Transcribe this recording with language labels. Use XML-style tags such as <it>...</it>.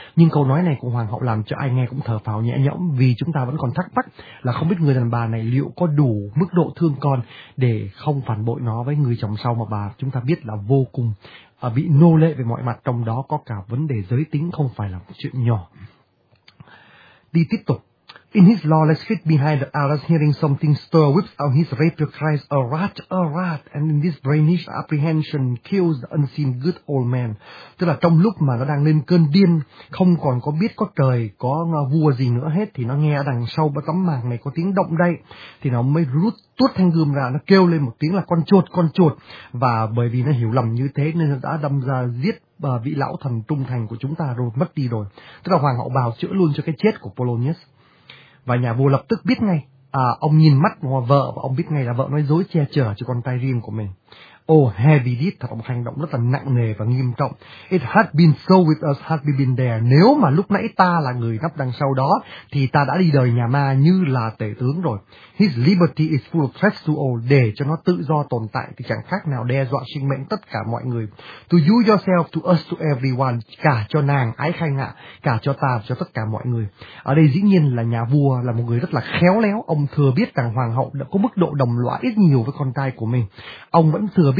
<vi>Nhưng câu nói này của hoàng hậu làm cho ai nghe cũng thở phào nhẹ nhõm vì chúng ta vẫn còn thắc mắc là không biết người đàn bà này liệu có đủ mức độ thương con để không phản bội nó với người chồng sau mà bà chúng ta biết là vô cùng bị nô lệ về mọi mặt, trong đó có cả vấn đề giới tính không phải là một chuyện nhỏ. Đi tiếp tục.</vi> <en>In his lawless fit behind the arras, hearing something stir, whips out his rapier, cries, a rat, a rat, and in this brainish apprehension, kills the unseen good old man.</en> <vi>Tức là trong lúc mà nó đang lên cơn điên, không còn có biết có trời, có vua gì nữa hết, thì nó nghe đằng sau tấm màng này có tiếng động đậy, thì nó mới rút tuốt thanh gươm ra, nó kêu lên một tiếng là con chuột, và bởi vì nó hiểu lầm như thế nên nó đã đâm ra giết vị lão thần trung thành của chúng ta rồi, mất đi rồi. Tức là hoàng hậu bào chữa luôn cho cái chết của Polonius. Và nhà vua lập tức biết ngay, ông nhìn mắt vợ và ông biết ngay là vợ nói dối che chở cho con trai riêng của mình.</vi> <en>Oh, heavy deed,</en> <vi>thật một hành động rất là nặng nề và nghiêm trọng.</vi> <en>It had been so with us, had we been there.</en> <vi>Nếu mà lúc nãy ta là người nắp đằng sau đó, thì ta đã đi đời nhà ma như là tể tướng rồi.</vi> <en>His liberty is full of threats to all.</en> <vi>Để cho nó tự do tồn tại thì chẳng khác nào đe dọa sinh mệnh tất cả mọi người.</vi> <en>To you yourself, to us, to everyone,</en> <vi>cả cho nàng, ái khanh ạ, cả cho ta, cho tất cả mọi người. Ở đây dĩ nhiên là nhà vua là một người rất là khéo léo. Ông thừa biết rằng hoàng hậu đã có mức độ đồng lõa ít nhiều với con trai của mình. Ông vẫn thừa biết</vi>